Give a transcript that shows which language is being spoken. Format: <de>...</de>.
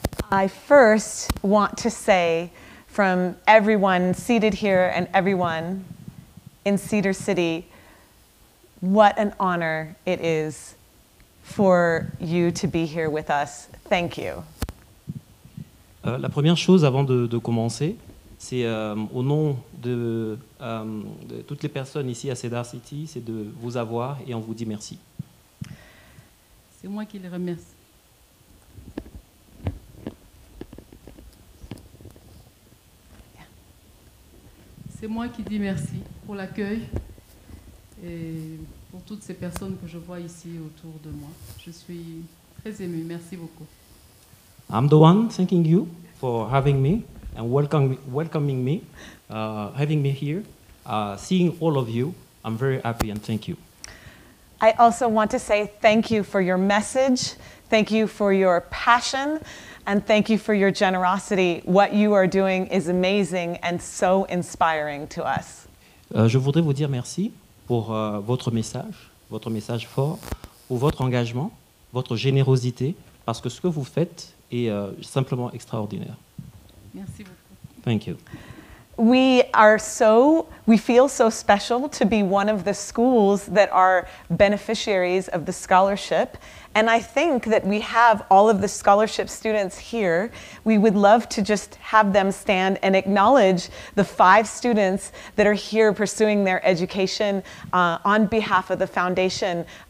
<en>I first want to say from everyone seated here and everyone in Cedar City, what an honor it is for you to be here with us. Thank you.</en> <fr>La première chose avant de commencer, c'est au nom de toutes les personnes ici à Cedar City, c'est de vous avoir et on vous dit merci. C'est moi qui les remercie. C'est moi qui dis merci pour l'accueil et pour toutes ces personnes que je vois ici autour de moi. Je suis très émue. Merci beaucoup.</fr> <en>I'm the one thanking you for having me. And welcoming me, having me here, seeing all of you, I'm very happy and thank you. I also want to say thank you for your message, thank you for your passion, and thank you for your generosity. What you are doing is amazing and so inspiring to us.</en> <fr>Je voudrais vous dire merci pour votre message fort, pour votre engagement, votre générosité, parce que ce que vous faites est simplement extraordinaire. Merci beaucoup.</fr> <en>Thank you. We feel so special to be one of the schools that are beneficiaries of the scholarship. And I think that we have all of the scholarship students here. We would love to just have them stand and acknowledge the 5 students that are here pursuing their education on behalf of the foundation.</en>